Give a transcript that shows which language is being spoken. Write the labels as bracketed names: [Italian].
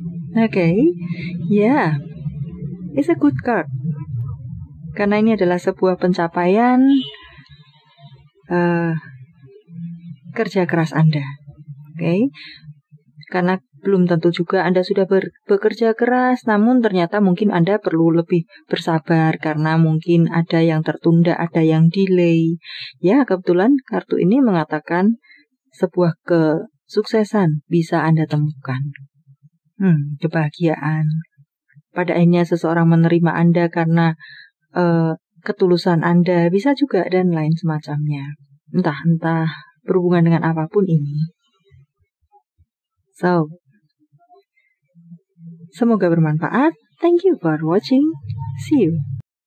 [English] Okay, yeah, it's a good card. [Indonesian] Karena ini adalah sebuah pencapaian kerja keras Anda. Okay. Karena belum tentu juga Anda sudah bekerja keras, namun ternyata mungkin Anda perlu lebih bersabar karena mungkin ada yang tertunda, ada yang delay. Ya, kebetulan kartu ini mengatakan sebuah kesuksesan bisa Anda temukan. Kebahagiaan. Pada akhirnya seseorang menerima Anda karena ketulusan Anda, bisa juga dan lain semacamnya. Entah-entah berhubungan dengan apapun ini. [English] So, [Indonesian] semoga bermanfaat. [English] Thank you for watching. See you.